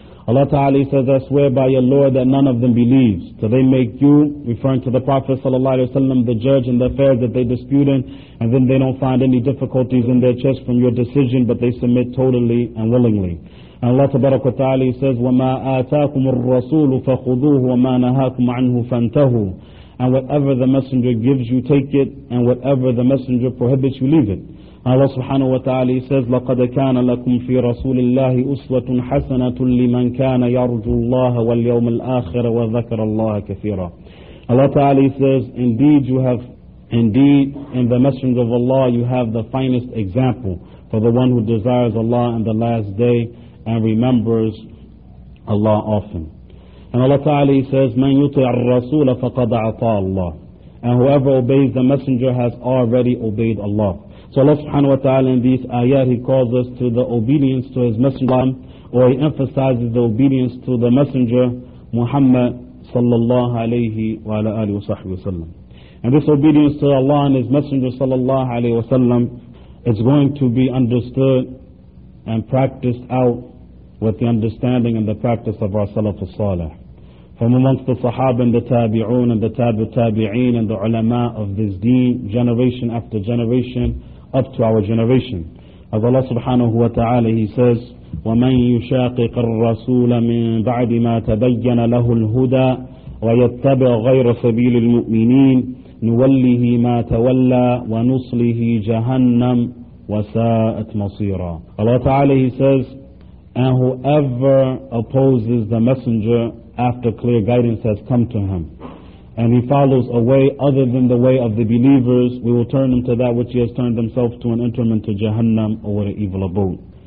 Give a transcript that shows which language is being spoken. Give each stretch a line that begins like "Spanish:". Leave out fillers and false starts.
English: Allah Ta'ala says, I swear by your Lord that none of them believes till they make you, referring to the Prophet sallallahu alayhi wa sallam, the judge in the affairs that they dispute in, and then they don't find any difficulties in their chest from your decision, but they submit totally and willingly. And Allah Tabaraka wa Ta'ala says,
Arabic: وَمَا آتَاكُمُ الرَّسُولُ فَخُذُوهُ وَمَا نَهَاكُمْ عَنْهُ فَانْتَهُوا.
English: And whatever the Messenger gives you, take it, and whatever the Messenger prohibits you, leave it. Allah subhanahu wa ta'ala says,
Arabic: لَقَدْ كَانَ لَكُمْ فِي رَسُولِ اللَّهِ أُسْوَةٌ حَسَنَةٌ لِمَنْ كَانَ يَرْجُو اللَّهَ وَالْيَوْمَ الْآخِرَ وَذَكَرَ اللَّهَ كَثِيرًا.
English: Allah Ta'ala says, indeed in the Messenger of Allah you have the finest example for the one who desires Allah in the last day and remembers Allah often. And Allah Ta'ala says,
Arabic: مَنْ يُطِعَ الرَّسُولَ فَقَدْ عَطَى اللَّهِ.
English: And whoever obeys the Messenger has already obeyed Allah. So Allah subhanahu wa ta'ala in these ayat, He calls us to the obedience to His Messenger, or He emphasizes the obedience to the Messenger Muhammad sallallahu alayhi wa ala alihi wa sahbihi wa sallam. And this obedience to Allah and His Messenger sallallahu alayhi wa sallam is going to be understood and practiced out with the understanding and the practice of our Salaf al-Salih. From amongst the Sahaba and the Tabi'un and the Tabi'een and the Ulama of this deen, generation after generation, up to our generation. As Allah subhanahu wa ta'ala, He says,
Arabic: وَمَنْ يُشَاقِقَ الرَّسُولَ مِنْ بَعْدِ مَا تَبَيَّنَ لَهُ الْهُدَى وَيَتَّبِعْ غَيْرَ سَبِيلِ الْمُؤْمِنِينَ نُوَلِّهِ مَا تَوَلَّى وَنُصْلِهِ جَهَنَّمْ وَسَاءَتْ مَصِيرًا.
English: Allah Ta'ala, He says, and whoever opposes the Messenger after clear guidance has come to him, and he follows a way other than the way of the believers, we will turn him to that which he has turned himself to, and enter him into Jahannam, or what an evil abode.